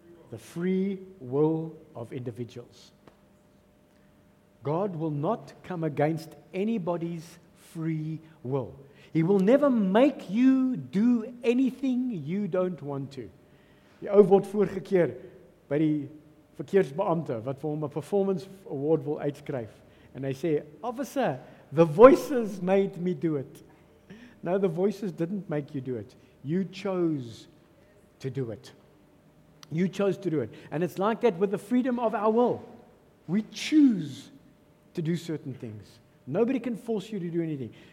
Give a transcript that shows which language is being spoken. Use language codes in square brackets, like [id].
[en] The free will of individuals. God will not come against anybody's free will. He will never make you do anything you don't want to. [af] Die ou word vorige keer by die verkeersbeampte wat vir hom 'n performance award wil uitskryf. [en] And they say, officer, the voices made me do it. No, the voices didn't make you do it. You chose to do it. You chose to do it. And it's like that with the freedom of our will. We choose to do certain things. Nobody can force you to do anything.